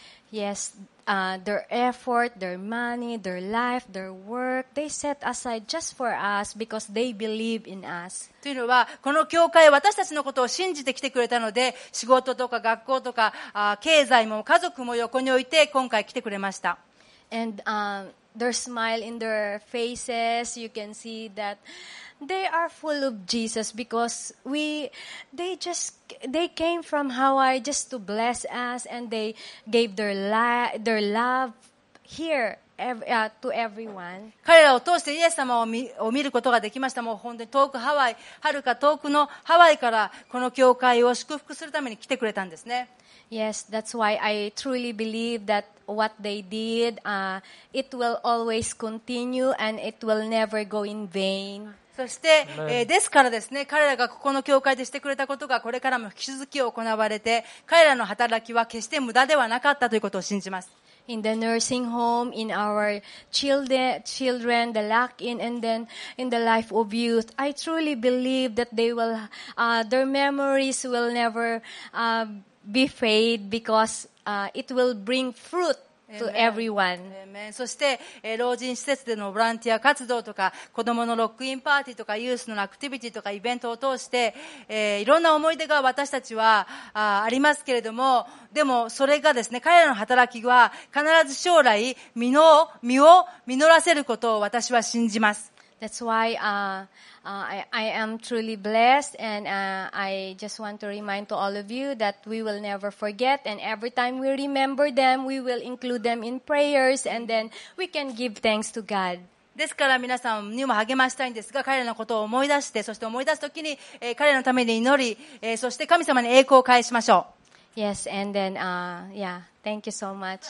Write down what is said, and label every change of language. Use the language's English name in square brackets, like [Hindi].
[English] Yes, their effort, their money, their life, their work, they set aside just for us because they believe in us. [Japanese] というのは、この教会は私たちのことを信じてきてくれたので、仕事とか学校とか、経済も家族も横に置いて今回来てくれました。 [English] And, their smile in their faces, you can see that they are full of Jesus because they came from Hawaii just to bless us and they gave their love here to everyone. [Japanese] 彼らを通してイエス様を見ることができました。もう本当に遠くハワイ、遥か遠くのハワイからこの教会を祝福するために来てくれたんですね。 [English] Yes, that's why I truly believe that what they did, it will always continue and it will never go in vain. [Japanese] そして、ですからですね、彼らがここの教会でしてくれたことがこれからも引き続き行われて、彼らの働きは決して無駄ではなかったということを信じます。 [English] In the nursing home, in our children, the lock-in, and then in the life of youth, I truly believe that they will, their memories will never, be fade because, it will bring fruit to everyone. Amen. [Japanese] そして、老人施設でのボランティア活動とか、子供のロックインパーティーとか、ユースのアクティビティとか、イベントを通して、いろんな思い出が私たちは、ありますけれども、でもそれがですね、彼らの働きは必ず将来、実を実らせることを私は信じます。 [English] That's why, I am truly blessed and, I just want to remind to all of you that we will never forget and every time we remember them, we will include them in prayers and then we can give thanks to God. [Japanese] ですから皆さんにも励ましたいんですが、彼らのことを思い出して、そして思い出すときに、彼らのために祈り、そして神様に栄光を返しましょう。 [English] Yes, and then, yeah, thank you so much.